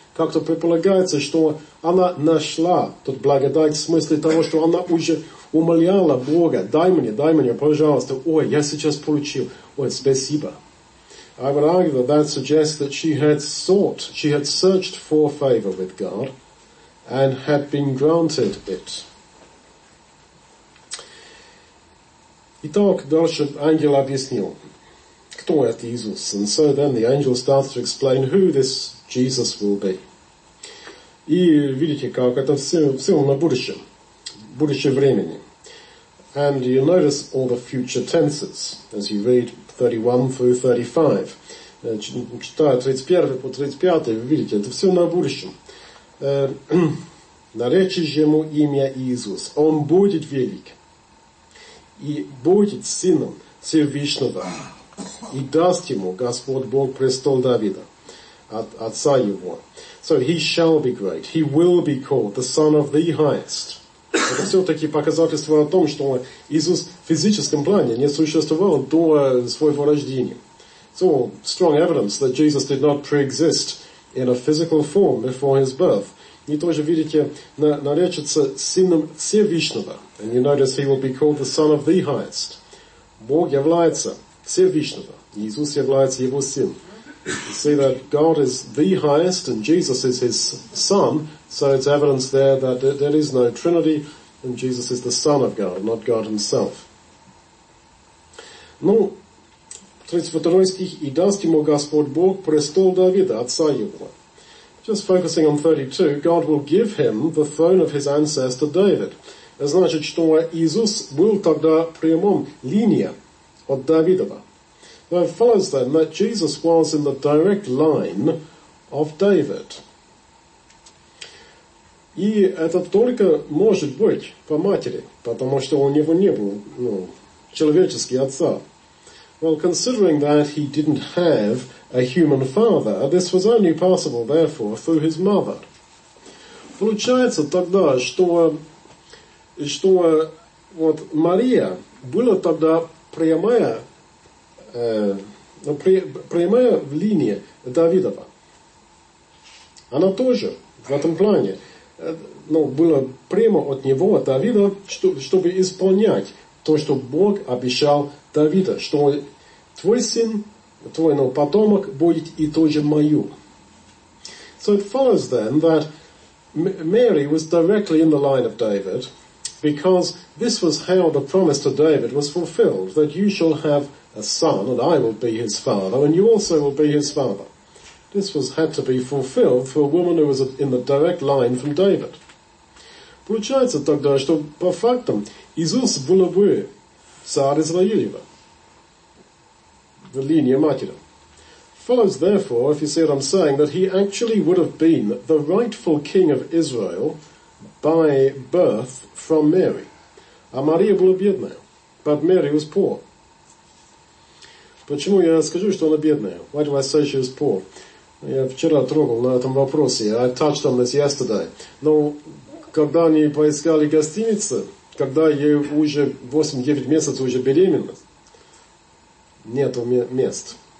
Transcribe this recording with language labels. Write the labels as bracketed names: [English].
[Russian] Как-то предполагается, что она нашла тут благодать в смысле того, что она уже умоляла Бога. Дай мне, пожалуйста. Ой, я сейчас получил. Ой, спасибо. [English] I would argue that suggests that she had searched for favor with God and had been granted it. [Russian] Итак, дальше ангел объяснил, кто это Иисус. [English] And so then the angel starts to explain who this Jesus will be. [Russian] И видите, как это все на будущее времени. [English] And you notice all the future tenses as you read 31 through 35. [Russian] Читаю 31 по 35, вы видите, это все на будущем. Наречешь ему имя Иисус. Он будет велик. И будет сыном Всевышнего. и даст ему Господь Бог престол Давида, отца его. [English] So he shall be great. He will be called the son of the highest. [Russian] Это все-таки показательство о том, что Иисус в физическом плане не существовал до своего рождения. [English] So strong evidence that Jesus did not pre-exist in a physical form before his birth. [Russian] И тоже, видите, наречется сыном Всевышнего. [English] And you notice he will be called the son of the highest. [Russian] Бог является Всевышнего. Иисус является его сын. [English] You see that God is the highest and Jesus is his son. So it's evidence there that there is no Trinity and Jesus is the son of God, not God himself. [Russian] Ну, 32 стих. И даст ему Господь Бог престол Давида, отца его. [English] Just focusing on 32, God will give him the throne of his ancestor David. [Russian] Это значит, что Иисус был тогда прямом линия от Давидова. [English] So it follows then that Jesus was in the direct line of David. [Russian] И это только может быть по матери, потому что у него не было, ну, человеческий отца. [English] Well, considering that he didn't have a human father, this was only possible, therefore, through his mother. [Russian] Получается тогда, что вот Мария была тогда прямая в линии Давидова. Она тоже в этом плане, ну, была прямо от него, от Давида, чтобы исполнять то, что Бог обещал Давида, что твой сын, твой потомок будет и тоже мою. [English] So it follows then that Mary was directly in the line of David because this was how the promise to David was fulfilled, that you shall have a son and I will be his father and you also will be his father. This was had to be fulfilled for a woman who was in the direct line from David. [Russian] Получается тогда, что по фактам Иисус был бы царь Израилева. [Latin] The linea matera. [English] Follows therefore, if you see what I'm saying, that he actually would have been the rightful king of Israel by birth from Mary. [Russian] А Мария была бедная, [English] but Mary was poor. [Russian] Почему я скажу, что она бедная? [English] Why do I say she was poor? [Russian] Я вчера трогал на этом вопросе. [English] I touched on this yesterday. [Russian] Но когда они поискали гостиницу, когда ей уже 8-9 месяцев уже беременна, нету мест.